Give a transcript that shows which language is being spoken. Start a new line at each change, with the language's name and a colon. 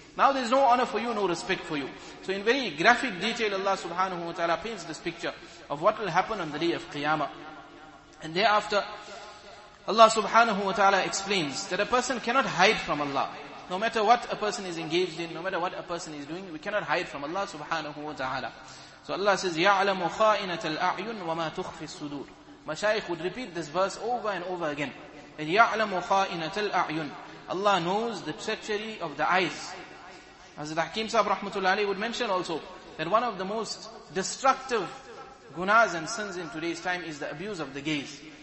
English: Now there is no honor for you, no respect for you. So in very graphic detail, Allah subhanahu wa ta'ala paints this picture of what will happen on the day of Qiyamah. And thereafter, Allah subhanahu wa ta'ala explains that a person cannot hide from Allah. No matter what a person is engaged in, no matter what a person is doing, we cannot hide from Allah subhanahu wa ta'ala. So Allah says,
Arabic: يَعْلَمُ خَائِنَةَ الْأَعْيُنُ وَمَا تُخْفِي الصُّدُورِ.
English: Mashaykh would repeat this verse over and over again.
Arabic: يَعْلَمُ خَائِنَةَ الْأَعْيُنُ.
English: Allah knows the treachery of the eyes. Hazrat Hakim Sahib Rahmatullah Alayhi would mention also that one of the most destructive gunas and sins in today's time is the abuse of the gaze.